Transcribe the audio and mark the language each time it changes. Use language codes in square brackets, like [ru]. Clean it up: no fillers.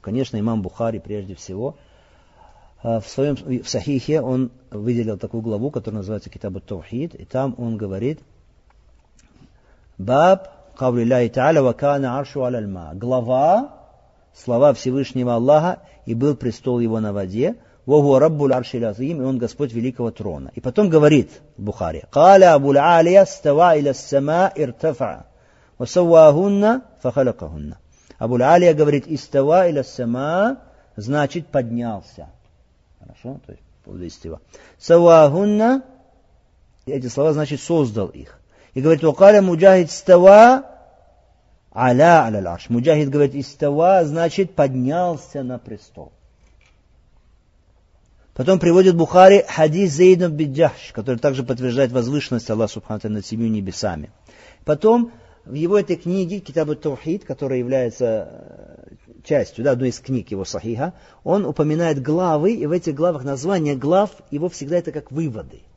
[ru] Конечно, имам Бухари прежде всего. В своем в Сахихе он выделил такую главу, которая называется Китабу Тавхид, и там он говорит «Баб [ar] قول الله تعالى وكان عرشه على الماء. [ru] Глава, слова Всевышнего Аллаха, и был престол его на воде. [ar] وهو رب العرش العظيم, [ru] и он Господь великого трона. И потом говорит Бухари: [ar] قال أبو العالية استوى إلى السماء ارتفع وسواهن فخلقهن. [ru] Абу аль-Алия говорит: [ar] استوى إلى السماء, [ru] значит поднялся. Хорошо, то есть поводу истива. سواهن, эти слова значит создал их. [ar] И говорит, وقال مجاهد استوى على العرش. [ru] Муджахид говорит, استوى, значит поднялся на престол. Потом приводит Бухари хадис Зейдом Биджаш, который также подтверждает возвышенность Аллаха Субхану Тааля над семью небесами. Потом в его этой книге, Китабу Тавхид, которая является частью, да, одной из книг его Сахиха, он упоминает главы, и в этих главах название глав его всегда это как выводы.